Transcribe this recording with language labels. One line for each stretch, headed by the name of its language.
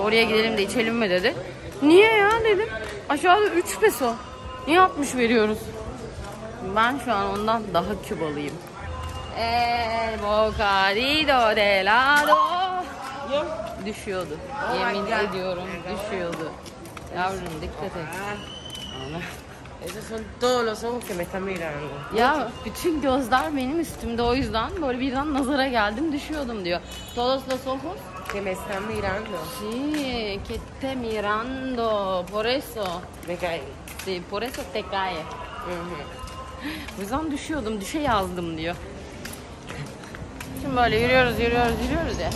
Turkish: Oraya gidelim de içelim mi dedi. Niye ya dedim. Aşağıda 3 peso. Niye 60 veriyoruz? Ben şu an ondan daha Kübalıyım.
Spanish: El bocadillo de helado.
Turkish: Düşüyordu. Yemin ediyorum düşüyordu. Yavrum dikkat et.
Spanish: Esos son todos los ojos que me están mirando.
Turkish: Ya bütün gözler benim üstümde, o yüzden böyle birden nazara geldim düşüyordum diyor.
Spanish: Todos los ojos que me están mirando. Sí, que te mirando. Por eso. Me caí. Sí, por eso te caí.
Turkish: O yüzden düşüyordum, düşe yazdım diyor. Şimdi böyle yürüyoruz ya.